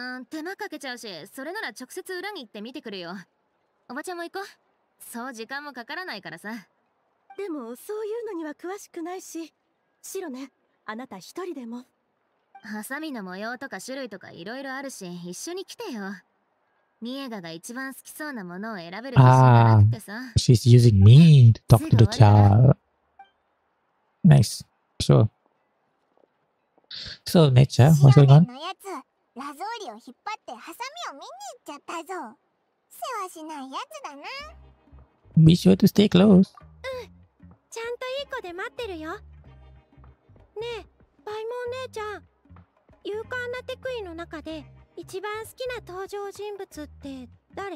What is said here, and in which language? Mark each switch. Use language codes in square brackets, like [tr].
[ja] 手間かけちゃうし、それなら直接裏に行って見てくるよ。おばちゃんも行こう。そう時間もかからないからさ。でもそういうのには詳しくないし。シロネ、あなた一人でも。ハサミの模様とか種類とかいろいろあるし、一緒に来てよ。ミエガが一番好きそうなものを選べるとしたらってさ。 [en] She's using me to talk to the child. Nice. Sure. [ja] そうね、ちゃん、シロネのやつ、ラゾーリを引っ張ってハサミを見に行っちゃったぞ。世話しないやつだな。 [en] Be sure to stay close. [ja] うん、ちゃんといい子で待ってるよ。ねえ、パイモン姉ちゃん、勇敢なテクイの中で一番好きな登場人物って誰？